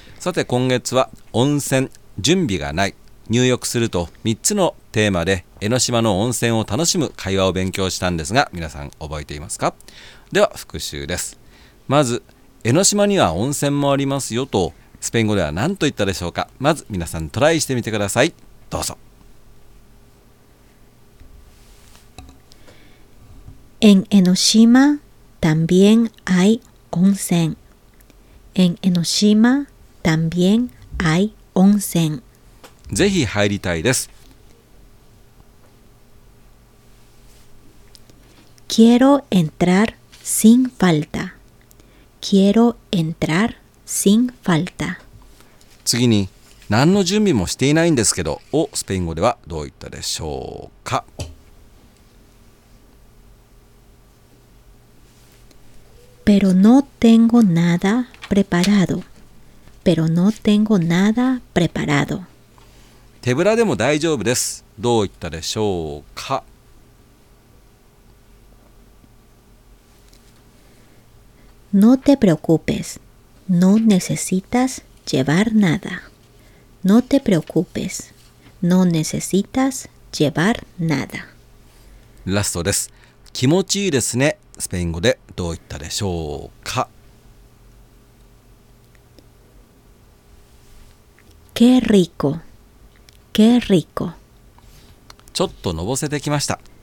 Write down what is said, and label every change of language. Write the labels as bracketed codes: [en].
[ja] さて今月は温泉、準備がない、入浴すると3つのテーマで江ノ島の温泉を楽しむ会話を勉強したんですが、皆さん覚えていますか？では復習です。まず江ノ島には温泉もありますよとスペイン語では何と言ったでしょうか？まず皆さんトライしてみてください。どうぞ。 [es] En Enoshima también hay onsen. En Enoshima también hay onsen. [ja] ぜひ入りたいです。 [es] Quiero entrar sin falta. Quiero entrar sin falta. [ja] 次に、何の準備もしていないんですけどをスペイン語ではどう言ったでしょうか？ [es] Pero no tengo nada preparado. Pero no tengo nada preparado. [ja] 手ぶらでも大丈夫です。どう言ったでしょうか？ [es] No te preocupes. No necesitas llevar nada. No te preocupes. No necesitas llevar nada. [ja] ラストです。気持ちいいですね。スペイン語でどう言ったでしょうか？ [es] Qué rico. Qué rico. [ja] ちょっとのぼせてきました。